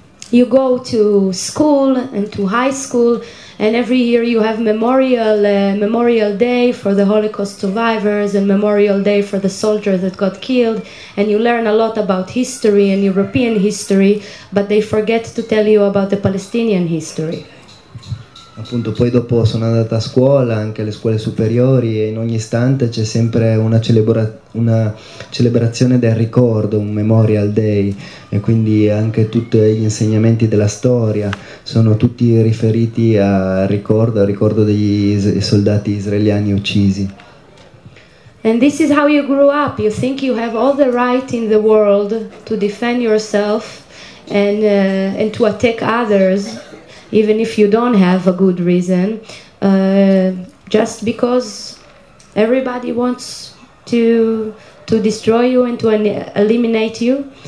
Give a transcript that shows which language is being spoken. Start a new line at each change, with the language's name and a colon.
English: You go to school and to high school, and every year you have Memorial Day for the Holocaust survivors and Memorial Day for the soldiers that got killed, and you learn a lot about history and European history, but they forget to tell you about the Palestinian history.
Italian: Appunto, poi dopo sono andata a scuola, anche alle scuole superiori, e in ogni istante c'è sempre una celebrazione del ricordo, un Memorial Day, e quindi anche tutti gli insegnamenti della storia sono tutti riferiti al ricordo degli soldati israeliani uccisi.
English: And this is how you grew up. You think you have all the right in the world to defend yourself and to attack others, even if you don't have a good reason, just because everybody wants to destroy you and to eliminate you.